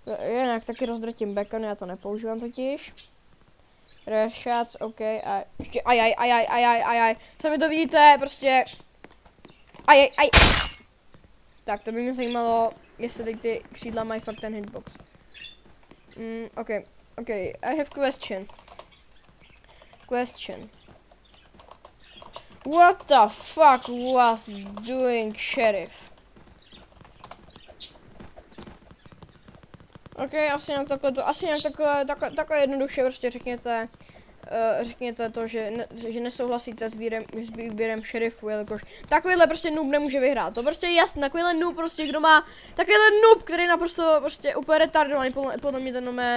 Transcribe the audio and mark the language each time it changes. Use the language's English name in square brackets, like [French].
[Czech] Jinak taky rozdrtím Beacon, já to nepoužívám totiž. Rare shots, ok, a ještě ajaj, co mi to vidíte, prostě, tak to by mě zajímalo, jestli teď ty křídla mají fakt ten hitbox. [English] Ok, I have question, what the fuck was doing sheriff? [Czech] Ok, asi nějak takhle jednoduše prostě řekněte to, že nesouhlasíte s výběrem šerifu, jelikož takovýhle prostě noob nemůže vyhrát, to prostě je jasné, takovýhle noob prostě, kdo má takovýhle noob, který je naprosto prostě úplně retardovaný, podle mě ten